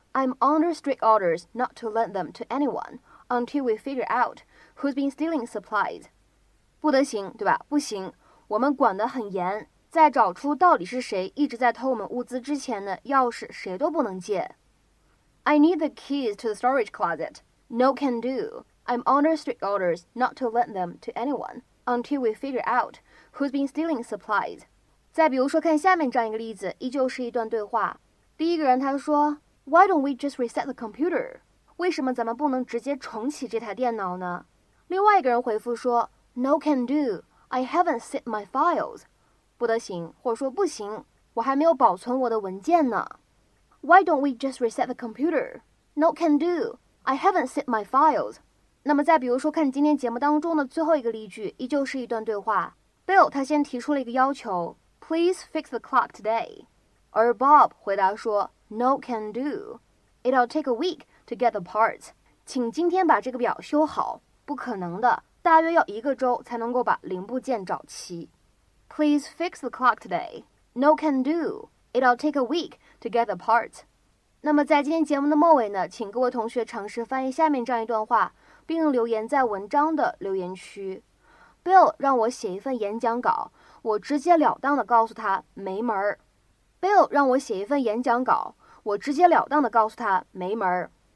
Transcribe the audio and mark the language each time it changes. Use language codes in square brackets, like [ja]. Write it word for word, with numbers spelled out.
[en] I'm under strict orders not to lend them to anyone until we figure out who's been stealing supplies. [zh] 不得行，对吧？不行，我们管得很严，在找出到底是谁一直在偷我们物资之前呢，钥匙谁都不能借。 [en] I need the keys to the storage closet. No can do. I'm under strict orders not to lend them to anyone until we figure out who's been stealing supplies. [zh] 再比如说看下面这样一个例子，依旧是一段对话。第一个人他说 [en] Why don't we just reset the computer? [zh] 为什么咱们不能直接重启这台电脑呢？另外一个人回复说 [en] No can do. I haven't saved my files. [zh] 不得行，或者说不行，我还没有保存我的文件呢。 [en] Why don't we just reset the computer? No can do. I haven't saved my files. [zh] 那么再比如说看今天节目当中的最后一个例句，依旧是一段对话。 Bill 他先提出了一个要求 [en] Please fix the clock today [zh] 而 [en] Bob [zh] 回答说 [en] No can do. It'll take a week to get the parts. [zh] 请今天把这个表修好。不可能的，大约要一个周才能够把零部件找齐。 [en] Please fix the clock today. No can do. It'll take a week to get the parts. [zh] 那么在今天节目的末尾呢，请各位同学尝试翻译下面这样一段话，并留言在文章的留言区。 Bill 让我写一份演讲稿，我直截了当的告诉他没门儿。 Bill 让我写一份演讲稿，我直截了当的告诉他没门儿。